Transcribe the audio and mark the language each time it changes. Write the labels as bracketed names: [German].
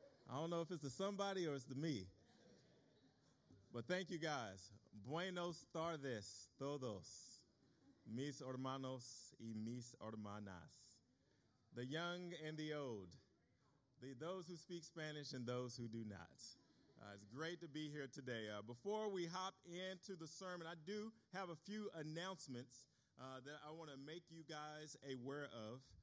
[English] I don't know if it's the somebody or it's the me. But thank you guys. [Spanish] Buenos tardes todos, mis hermanos y mis hermanas. [English] The young and the old, those who speak Spanish and those who do not. It's great to be here today. Before we hop into the sermon, I do have a few announcements that I want to make you guys aware of.